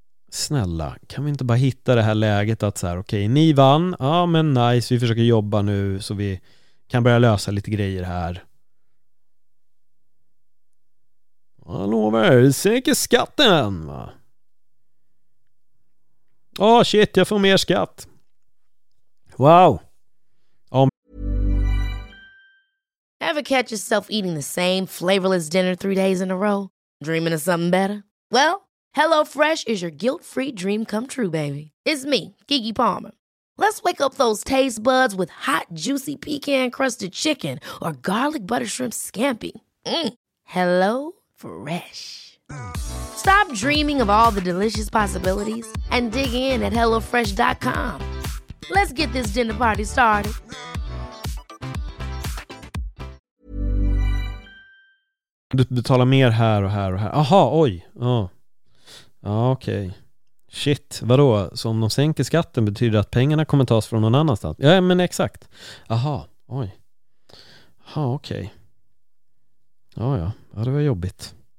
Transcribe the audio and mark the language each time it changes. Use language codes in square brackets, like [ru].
[sv] Snälla, kan vi inte bara hitta det här läget att så här: okej, ni vann, ja men nice, vi försöker jobba nu så vi kan börja lösa lite grejer här. Jag lovar, sänker skatten, va? Åh, shit, jag får mer skatt. Wow. [en] Ever catch yourself eating the same flavorless dinner 3 days in a row? Dreaming of something better? Well, HelloFresh is your guilt-free dream come true, baby. It's me, Keke Palmer. Let's wake up those taste buds with hot, juicy pecan-crusted chicken or garlic butter shrimp scampi. Mm. Hello Fresh. Stop dreaming of all the delicious possibilities and dig in at HelloFresh.com. Let's get this dinner party started. [sv] Du betalar mer här och här och här. Aha, oj. Ja. Ja, okej. Shit, vadå? Så om de sänker skatten betyder att pengarna kommer tas från någon annanstans? Ja, men exakt. Aha, oj. Ja, okej. Ja, ja. Ja, det var jobbigt.